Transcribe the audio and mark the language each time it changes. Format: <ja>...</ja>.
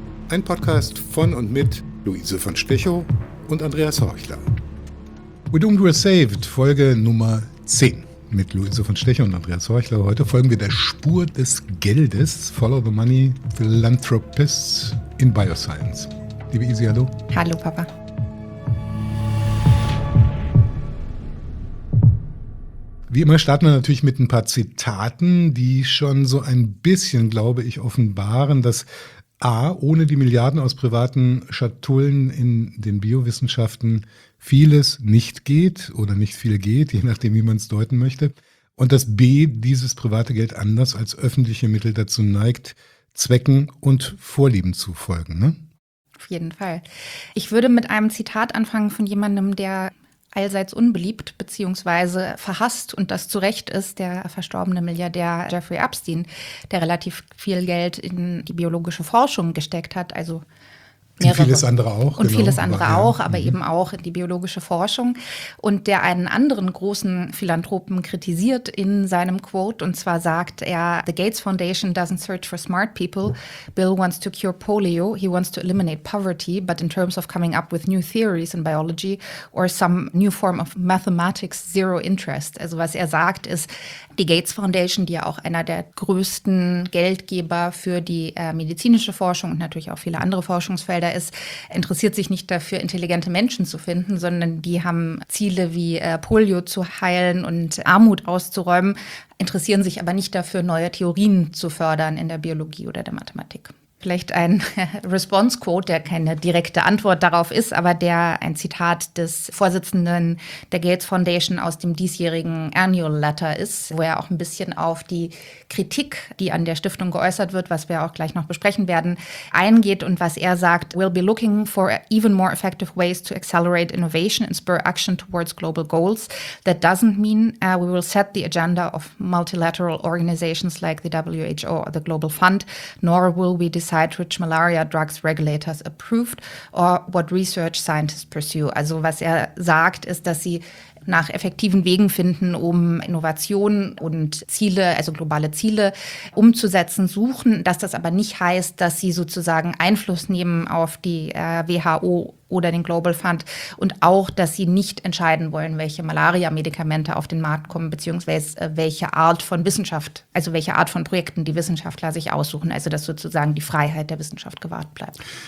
<de>Ein Podcast von und mit Luise von Stechow und Andreas Horchler.</de> <en>We're doomed, we're saved,</en> <de>Folge Nummer 10. Mit Luise von Stechow und Andreas Horchler. Heute folgen wir der Spur des Geldes.</de> <en>Follow the money, philanthropists in bioscience.</en> <de>Liebe Isi, hallo. Hallo, Papa. Wie immer starten wir natürlich mit ein paar Zitaten, die schon so ein bisschen, glaube ich, offenbaren, dass A, ohne die Milliarden aus privaten Schatullen in den Biowissenschaften vieles nicht geht oder nicht viel geht, je nachdem, wie man es deuten möchte. Und dass B, dieses private Geld anders als öffentliche Mittel dazu neigt, Zwecken und Vorlieben zu folgen. Ne? Auf jeden Fall. Ich würde mit einem Zitat anfangen von jemandem, der allseits unbeliebt beziehungsweise verhasst und das zu Recht ist, der verstorbene Milliardär Jeffrey Epstein, der relativ viel Geld in die biologische Forschung gesteckt hat, also mehrere. Und vieles andere auch. Und genau, vieles andere aber, auch, aber eben auch in die biologische Forschung. Und der einen anderen großen Philanthropen kritisiert in seinem Quote. Und zwar sagt er,</de> <en>the Gates Foundation doesn't search for smart people. Bill wants to cure polio. He wants to eliminate poverty. But in terms of coming up with new theories in biology or some new form of mathematics, zero interest.</en> <de>Also was er sagt ist, die Gates Foundation, die ja auch einer der größten Geldgeber für die medizinische Forschung und natürlich auch viele andere Forschungsfelder ist, interessiert sich nicht dafür, intelligente Menschen zu finden, sondern die haben Ziele wie Polio zu heilen und Armut auszuräumen, interessieren sich aber nicht dafür, neue Theorien zu fördern in der Biologie oder der Mathematik. Vielleicht ein Response-Quote, der keine direkte Antwort darauf ist, aber der ein Zitat des Vorsitzenden der Gates Foundation aus dem diesjährigen Annual Letter ist, wo er auch ein bisschen auf die Kritik, die an der Stiftung geäußert wird, was wir auch gleich noch besprechen werden, eingeht und was er sagt,</de> <en>we'll be looking for even more effective ways to accelerate innovation and spur action towards global goals. That doesn't mean we will set the agenda of multilateral organizations like the WHO or the Global Fund, nor will we decide which malaria drugs regulators approved or what research scientists pursue.</en> <de>Also was er sagt, ist, dass sie nach effektiven Wegen finden, um Innovationen und Ziele, also globale Ziele umzusetzen, suchen. Dass das aber nicht heißt, dass sie sozusagen Einfluss nehmen auf die WHO oder den Global Fund und auch, dass sie nicht entscheiden wollen, welche Malaria-Medikamente auf den Markt kommen, beziehungsweise welche Art von Wissenschaft, also welche Art von Projekten die Wissenschaftler sich aussuchen, also dass sozusagen die Freiheit der Wissenschaft gewahrt bleibt.</de>